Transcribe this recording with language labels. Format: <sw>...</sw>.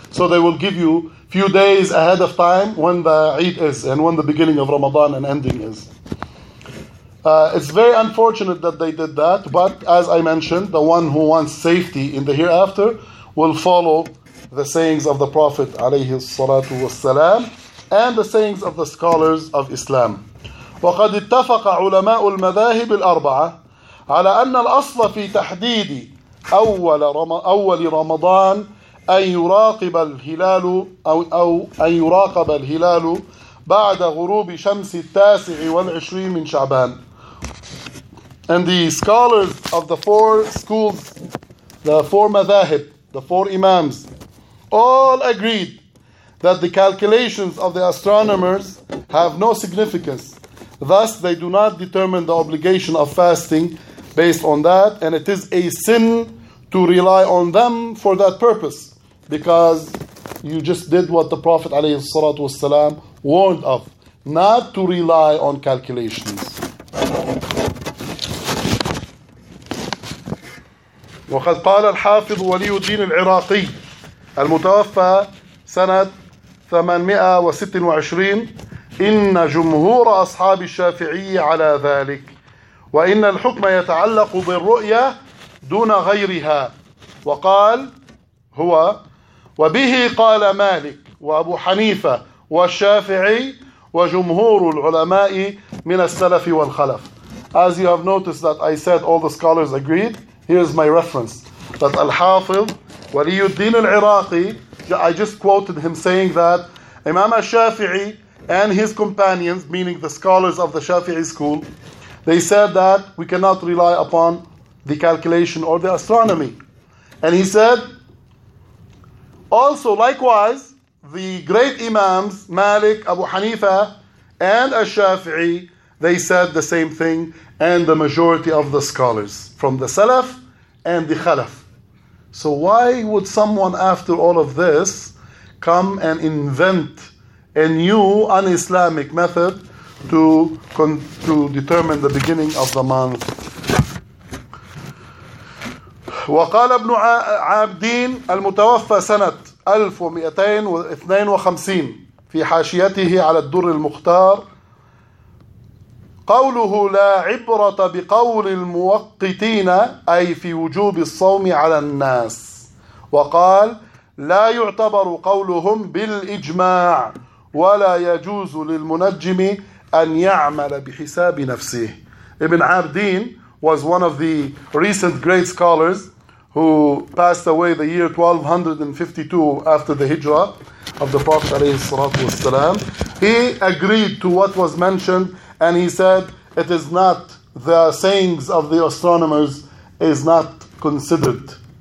<en>So they will give you few days ahead of time when the Eid is and when the beginning of Ramadan and ending is. It's very unfortunate that they did that, but as I mentioned, the one who wants safety in the hereafter will follow the sayings of the Prophet alayhi salatu wassalam and the sayings of the scholars of Islam.</en> <ar>وقد اتفق علماء المذاهب الأربعة على أن الأصل في تحديد أول رمضان أن يراقب الهلال أو أن يراقب الهلال بعد غروب شمس التاسع والعشرين من شعبان.</ar> <en>And the scholars of the four schools, the four madhahib, the four imams, all agreed that the calculations of the astronomers have no significance. Thus, they do not determine the obligation of fasting based on that, and it is a sin to rely on them for that purpose, because you just did what the Prophet ﷺ warned of, not to rely on calculations.</en> <ar>وقد قال الحافظ ولي الدين العراقي المتوفى سنة 826 إن جمهور أصحاب الشافعي على ذلك وإن الحكم يتعلق بالرؤية دون غيرها وقال هو وبه قال مالك وأبو حنيفة والشافعي وجمهور العلماء من السلف والخلف.</ar> <en>As you have noticed that I said all the scholars agreed, here's my reference. That Al-Hafidh, ولي الدين العراقي, I just quoted him saying that Imam al-Shafi'i and his companions, meaning the scholars of the Shafi'i school, they said that we cannot rely upon the calculation or the astronomy. And he said, also likewise, the great imams, Malik, Abu Hanifa, and al-Shafi'i, they said the same thing, and the majority of the scholars, from the Salaf and the Khalaf. So why would someone after all of this come and invent a new un-Islamic method to determine the beginning of the month?</en> <ar>وقال ابن عابدين المتوفى سنة 1252 في حاشيته على الدر المختار قوله لا عبرة بقول المؤقتين أي في وجوب الصوم على الناس وقال لا يعتبر قولهم بالإجماع ولا يجوز للمنجم أن يعمل بحساب نفسه.</ar> <en>Ibn Abdin was one of the recent great scholars who passed away the year 1252 after the Hijra of the Prophet عليه الصلاة والسلام. He agreed to what was mentioned and he said it is not the sayings of the astronomers is not considered.</en>